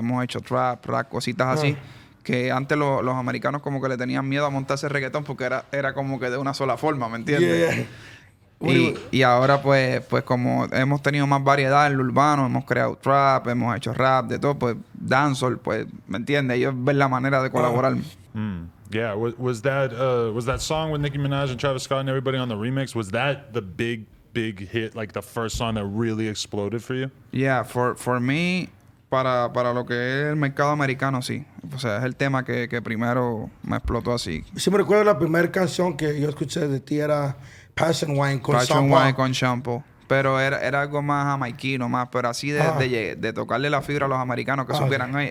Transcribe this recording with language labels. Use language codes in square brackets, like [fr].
[es] Hemos hecho trap, rap, cositas así. Que antes los americanos como que le tenían miedo a montarse reggaetón porque era como que de una sola forma, ¿me entiendes? Y ahora pues como hemos tenido más variedad en lo urbano, hemos creado trap, hemos hecho rap, de todo, pues dancehall, pues, ¿me entiendes? Ellos ven la manera de colaborar. [en] Yeah, was that song with Nicki Minaj and Travis Scott and everybody on the remix, was that the big hit, like the first song that really exploded for you? Yeah, for me, [es] para lo que es el mercado americano, sí. O sea, es el tema que primero me explotó así. Sí, me recuerdo la primera canción que yo escuché de ti era Passion Wine con Shampoo. Passion Wine con Shampoo. Pero era algo más jamaiquino, más, pero así de tocarle la fibra a los americanos que supieran, okay.